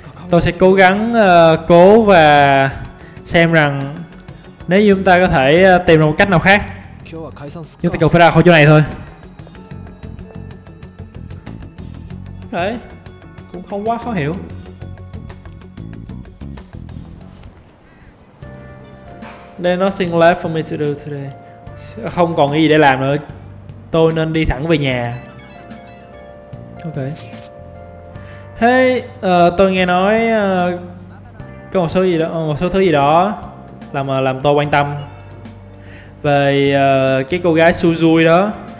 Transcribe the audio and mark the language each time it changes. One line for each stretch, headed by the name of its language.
Vietnamese: Tôi sẽ cố gắng cố và xem rằng nếu như chúng ta có thể tìm ra một cách nào khác. Chúng ta cần phải ra khỏi chỗ này thôi. Thế cũng không quá khó hiểu.
English: There's nothing left for me to do today.
Vietnamese: Không còn cái gì để làm nữa. Tôi nên đi thẳng về nhà. Ok. Hey, tôi nghe nói có một số gì đó, một số thứ gì đó làm tôi quan tâm về cái cô gái Suzui đó.